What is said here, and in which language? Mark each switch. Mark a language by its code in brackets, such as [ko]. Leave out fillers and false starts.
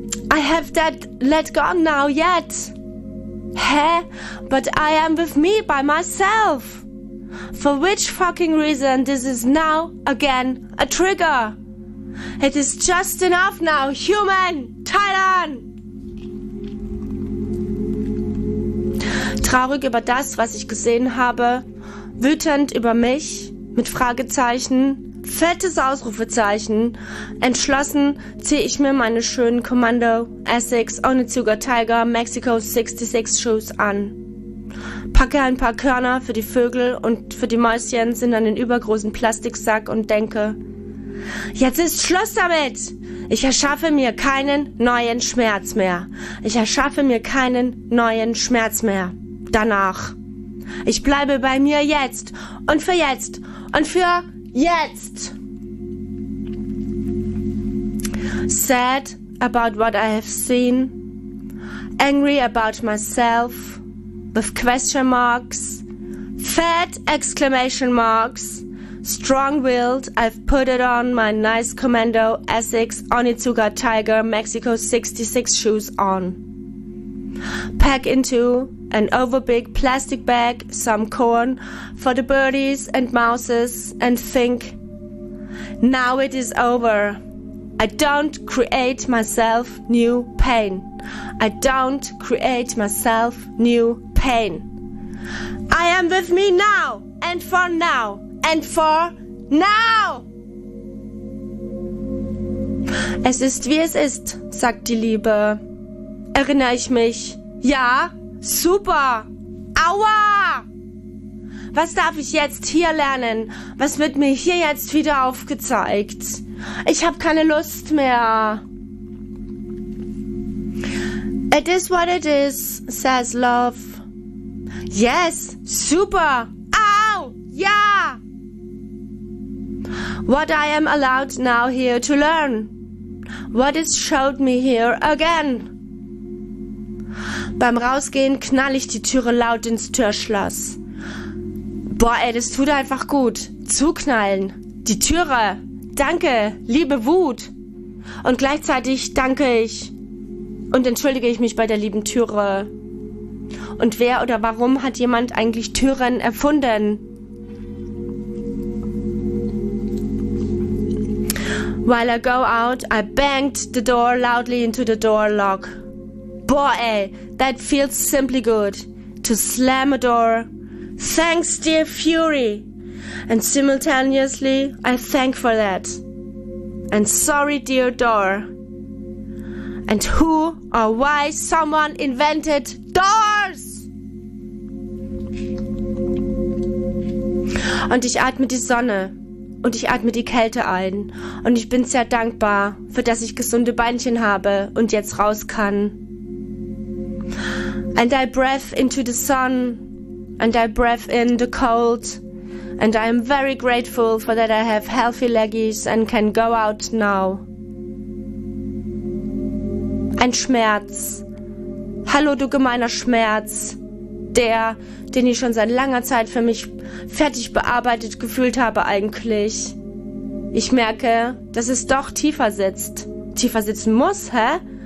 [en] I have that let gone now yet. Hä? But I am with me by myself. for which fucking reason this is now, again, a trigger. It is just enough now, human, Thailand! [de] Traurig über das, was ich gesehen habe, wütend über mich, mit Fragezeichen, fettes Ausrufezeichen, entschlossen ziehe ich mir meine schönen Commando Essex Onitsuka Tiger Mexico 66 Shoes an. Packe ein paar Körner für die Vögel und für die Mäuschen, sind an den übergroßen Plastiksack und denke, jetzt ist Schluss damit! Ich erschaffe mir keinen neuen Schmerz mehr. Ich erschaffe mir keinen neuen Schmerz mehr. Danach. Ich bleibe bei mir jetzt und für jetzt und für jetzt. [en] Sad about what I have seen. Angry about myself. With question marks. Fat exclamation marks. Strong-willed, I've put it on my nice Commando Essex Onitsuka Tiger Mexico 66 shoes on. Pack into an overbig plastic bag some corn for the birdies and mouses and think, now it is over. I don't create myself new pain. I don't create myself new pain. I am with me now and for now. And for now! [de] Es ist, wie es ist, sagt die Liebe. Erinnere ich mich. Ja, super. Aua! Was darf ich jetzt hier lernen? Was wird mir hier jetzt wieder aufgezeigt? Ich habe keine Lust mehr. [en] It is what it is, says love. Yes, super. Au, ja! What I am allowed now here to learn. What is showed me here again. [de] Beim Rausgehen knall ich die Türe laut ins Türschloss. Boah, ey, das tut einfach gut. Zuknallen. Die Türe. Danke, liebe Wut. Und gleichzeitig danke ich. Und entschuldige ich mich bei der lieben Türe. Und wer oder warum hat jemand eigentlich Türen erfunden? [en] While I go out, I banged the door loudly into the door lock. Boah, ey, that feels simply good. To slam a door. Thanks, dear Fury. And simultaneously, I thank for that. And sorry, dear door. And who or why someone invented doors? [de] Und ich atme die Sonne. Und ich atme die Kälte ein. Und ich bin sehr dankbar, für dass ich gesunde Beinchen habe und jetzt raus kann. [en] And I breath into the sun. And I breath in the cold. And I am very grateful for that I have healthy leggies and can go out now. [de] Ein Schmerz. Hallo, du gemeiner Schmerz. Der, den ich schon seit langer Zeit für mich fertig bearbeitet gefühlt habe eigentlich. Ich merke, dass es doch tiefer sitzt. Tiefer sitzen muss, hä?